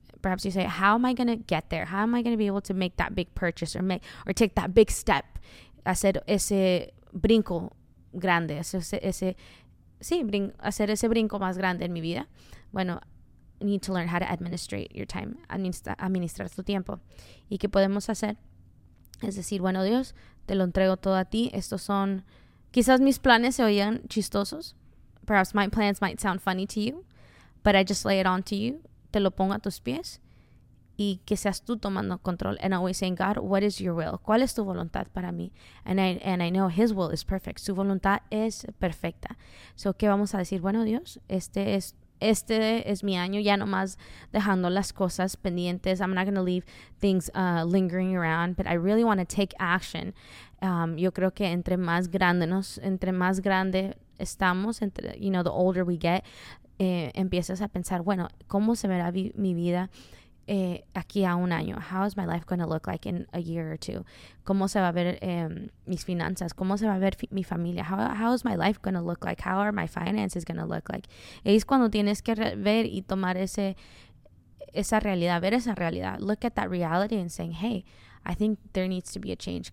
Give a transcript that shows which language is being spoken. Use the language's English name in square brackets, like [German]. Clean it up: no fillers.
[English] Perhaps you say, how am I going to get there? How am I going to be able to make that big purchase or take that big step? [Spanish] Hacer ese brinco grande, hacer ese brinco más grande en mi vida. [English] Bueno, need to learn how to administrate your time, [Spanish] administrar tu tiempo. ¿Y qué podemos hacer? Es decir, bueno, Dios, te lo entrego todo a ti. Estos son, quizás mis planes se oían chistosos. [English] Perhaps my plans might sound funny to you, but I just lay it on to you. [Spanish] Te lo pongo a tus pies y que seas tú tomando control. [English] And always saying, God, what is your will? [Spanish] ¿Cuál es tu voluntad para mí? [English] And I know his will is perfect. [Spanish] Su voluntad es perfecta. So, ¿qué vamos a decir? Bueno, Dios, este es mi año. Ya nomás dejando las cosas pendientes. [English] I'm not going to leave things lingering around, but I really want to take action. [Spanish] Yo creo que entre más grande estamos, [English] the older we get, [Spanish] empiezas a pensar, bueno, ¿cómo se verá mi vida aquí a un año? [English] How is my life going to look like in a year or two? [Spanish] ¿Cómo se va a ver mis finanzas? ¿Cómo se va a ver mi familia? [English] How is my life going to look like? How are my finances going to look like? [Spanish] Es cuando tienes que ver y tomar esa realidad. [English] Look at that reality and saying, hey, I think there needs to be a change.